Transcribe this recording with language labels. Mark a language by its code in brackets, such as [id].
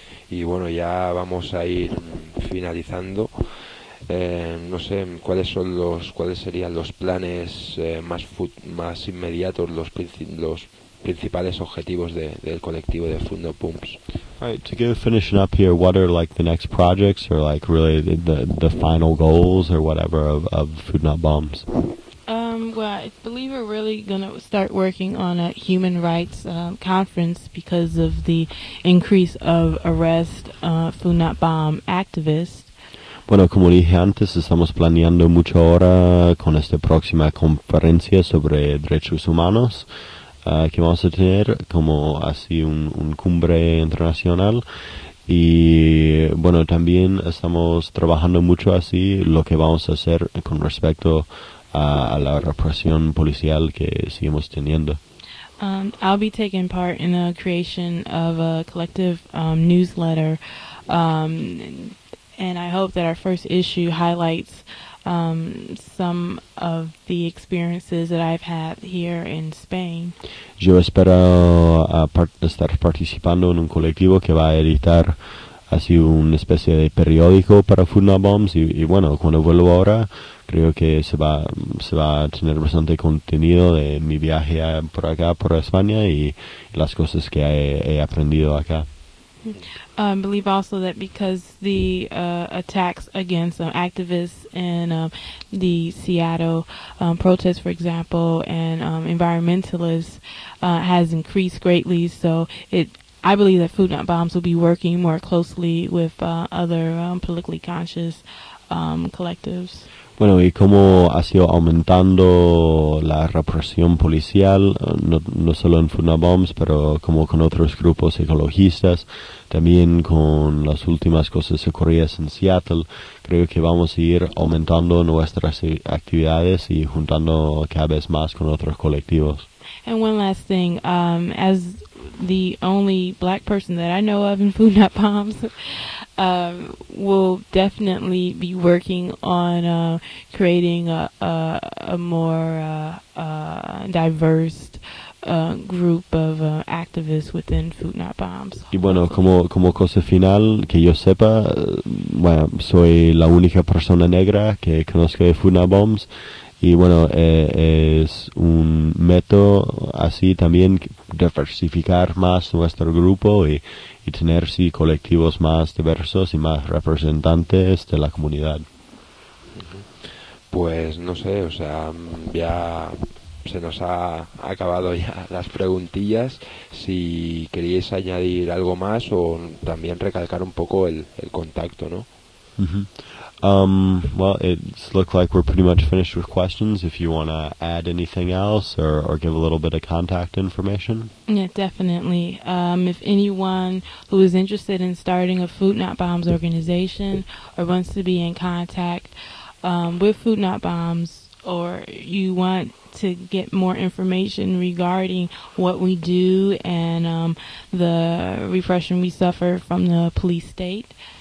[es] Y bueno, ya vamos a ir finalizando. No sé cuáles serían los planes más inmediatos, los principales objetivos del colectivo de Fundo Pumps. [en] All right, to give finishing up here, what are like the next projects or like really the final goals or whatever of Food Not Bombs? Well, I believe we're really going to start working on a human rights conference because of the increase of arrest Funat Bomb activists. [es] Bueno, como dije antes, estamos planeando mucho ahora con esta próxima conferencia sobre derechos humanos que vamos a tener como así un cumbre internacional. Y bueno, también estamos trabajando mucho así lo que vamos a hacer con respecto a la represión policial que seguimos teniendo. [en] I'll be taking part in the creation of a collective newsletter, and I hope that our first issue highlights some of the experiences that I've had here in Spain. [es] Yo espero estar participando en un colectivo que va a editar así una especie de periódico para Funat Bombs y bueno, cuando vuelvo ahora creo que se va a tener bastante contenido de mi viaje por acá, por España y las cosas que he aprendido acá. [en] I believe also that because the attacks against activists and the Seattle protests, for example, and environmentalists has increased greatly, so I believe that Funat Bombs will be working more closely with other politically conscious collectives. [es] Bueno, y como ha sido aumentando la represión policial, no solo en Funat Bombs, pero como con otros grupos ecologistas, también con las últimas cosas ocurridas en Seattle, creo que vamos a ir aumentando nuestras actividades y juntando cada vez más con otros colectivos. [en] And one last thing, as the only black person that I know of in Funat Bombs, we'll definitely be working on creating a more diverse group of activists within Funat Bombs. [es] Y bueno, como cosa final, que yo sepa, bueno, soy la única persona negra que conozco de Funat Bombs. Y bueno, es un método así también diversificar más nuestro grupo y tener sí colectivos más diversos y más representantes de la comunidad. Pues no sé, o sea, ya se nos ha acabado ya las preguntillas. Si queríais añadir algo más o también recalcar un poco el contacto, ¿no? Uh-huh. [en] Well, it looks like we're pretty much finished with questions. If you want to add anything else or give a little bit of contact information. Yeah, definitely. If anyone who is interested in starting a Funat Bombs organization or wants to be in contact with Funat Bombs, or you want to get more information regarding what we do and the repression we suffer from the police state.